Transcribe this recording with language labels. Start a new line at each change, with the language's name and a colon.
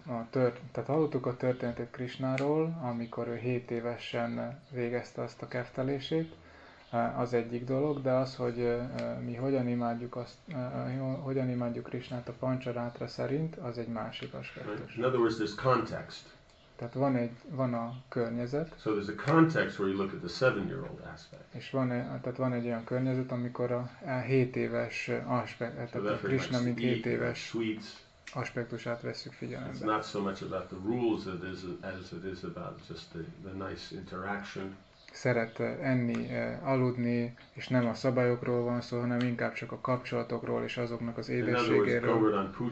Hungarian: tehát hallottuk a történetet Krisnáról, amikor ő 7 évesen végezte azt a keftelését, az egyik dolog, de az, hogy mi hogyan imádjuk azt, hogyan imádjuk Krisnát a Pancsarátra szerint, az egy másik aspektus.
English: In other words, there's context.
Hungarian: Tehát van egy, van a környezet.
English: So there's a context where you look at the 7-year-old aspect.
Hungarian: És van, tehát van egy olyan környezet, amikor a 7 éves aspekt, tehát a Krisna mint 7 éves aspektusát veszük figyelembe.
English: It's not so much about the rules as it is about just the nice interaction.
Hungarian: Szeret enni, aludni, és nem a szabályokról van szó, hanem inkább csak a kapcsolatokról és azoknak az édességéről.